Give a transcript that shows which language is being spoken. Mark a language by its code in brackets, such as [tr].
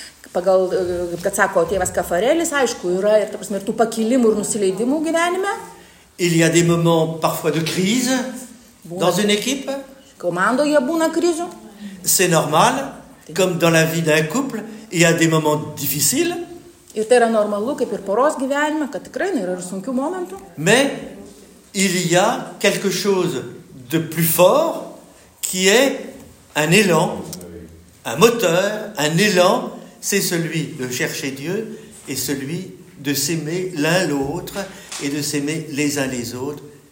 [lt] Pagal, kad sako tėvas Kafarelis, aišku, yra ir, ta prasme, ir tų pakilimų ir nusileidimų gyvenime. [fr] Il y a des moments parfois de crise dans une équipe. [lt] Komandoje būna krizių. [fr] C'est normal, comme dans la vie d'un couple, il y a des moments difficiles. [lt] Ir tai yra normalu, kaip ir poros gyvenime, kad tikrai yra ir sunkių momentų. [fr] Mais il y a quelque chose de plus fort qui est un élan, un moteur, un élan. C'est celui de chercher Dieu et celui de s'aimer l'un l'autre et de s'aimer les uns les autres.